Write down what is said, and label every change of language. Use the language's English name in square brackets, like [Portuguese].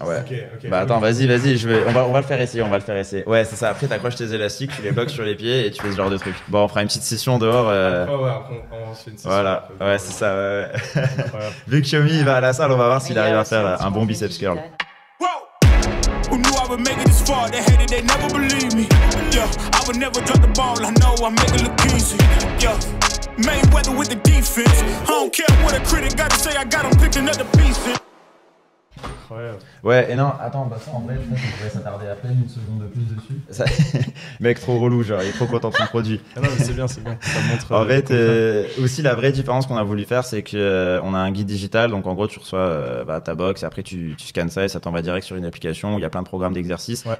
[French] Ouais. Okay. Bah attends, vas-y, on va le faire essayer. Ouais, c'est ça. Après, t'accroches tes élastiques, tu les bloques sur les pieds et tu fais ce genre de truc. Bon, on fera une petite session dehors. Ouais, on fait une session. Vu que Xiaomi va à la salle, on va voir s'il arrive à faire un bon biceps curl. [English] Who knew I would make it this far? They hated, they never believe me. Yeah, I would never drop the ball. I know I make it look easy. Yeah, Mayweather with the defense. I don't care what a critic got to say. I got him picking up the pieces. [French] Ouais, et non, attends, bah ça en vrai, je pense qu'on pourrait s'attarder à peine une seconde de plus dessus. Ça... Mec, trop relou, genre, il est trop content de son produit. Ah non, mais c'est bien, ça montre. En fait, aussi, la vraie différence qu'on a voulu faire, c'est qu'on a un guide digital, donc en gros, tu reçois ta box, et après, tu scans ça et ça t'envoie direct sur une application où il y a plein de programmes d'exercices. Ouais.